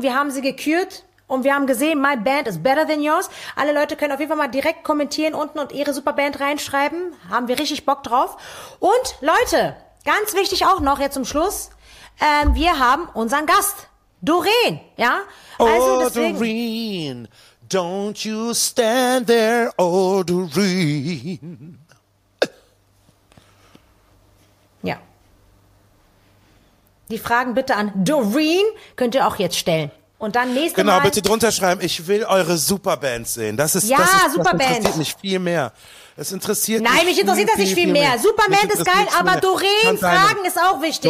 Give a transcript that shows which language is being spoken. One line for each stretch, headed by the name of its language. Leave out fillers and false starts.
German: Wir haben sie gekürt. Und wir haben gesehen,
English: my band is better than yours.
German: Alle Leute können auf jeden Fall mal direkt kommentieren unten und ihre Superband reinschreiben. Haben wir richtig Bock drauf. Und Leute, ganz wichtig auch noch jetzt zum Schluss. Wir haben unseren Gast, Doreen. Ja?
English: Doreen, don't you stand there, Doreen.
German: Ja. Die Fragen bitte an Doreen könnt ihr auch jetzt stellen. Und dann nächste genau, Mal. Bitte drunter schreiben, ich will eure Superbands sehen. Das interessiert mich viel mehr. Nein, mich interessiert das nicht viel mehr. Superband ist geil, aber Doreen-Fragen ist auch wichtig.